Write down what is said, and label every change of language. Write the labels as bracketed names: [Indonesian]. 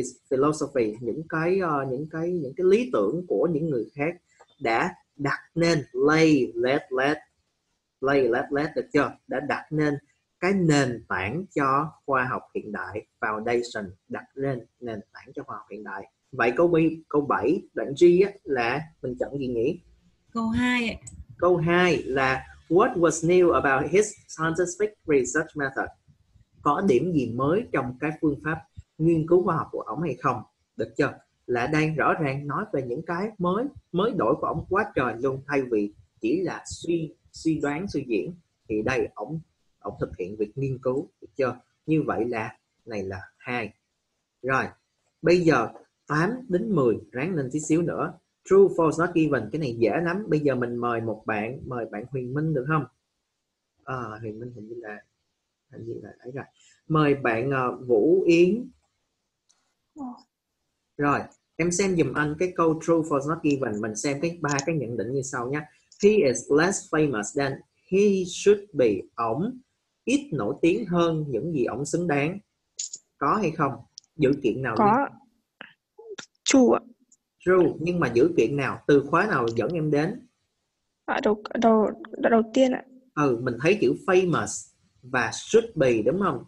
[Vietnamese] philosophy, những cái lý tưởng của những người khác đã đặt nên lay led được chưa, đã đặt nên cái nền tảng cho khoa học hiện đại, foundation, đặt lên nền tảng cho khoa học hiện đại. Vậy câu 7 đoạn G á, là mình chọn gì nhỉ? Câu 2 [English] là what was new about his scientific research method? [Vietnamese] Có điểm gì mới trong cái phương pháp nghiên cứu khoa học của ông hay không? Được chưa? là đang rõ ràng nói về những cái mới đổi của ông quá trời luôn, thay vì chỉ là suy đoán suy diễn, thì đây ông thực hiện việc nghiên cứu, được chưa? Như vậy là này là 2. Rồi bây giờ 8 đến 10, ráng lên tí xíu nữa. True, false, not given, cái này dễ lắm. Bây giờ mình mời bạn Huyền Minh được không? Huyền Minh hình như là đấy rồi. Mời bạn Vũ Yến. Rồi, em xem giùm anh cái câu true, false, not given. Mình xem cái ba cái nhận định như sau nhé. [English] He is less famous than he should be. [Vietnamese] Ổng ít nổi tiếng hơn những gì ổng xứng đáng. Có hay không? Dữ kiện nào? Có. True. True, nhưng mà dữ kiện nào? Từ khóa nào dẫn em đến? Đầu tiên ạ. Mình thấy chữ famous và should be, đúng không?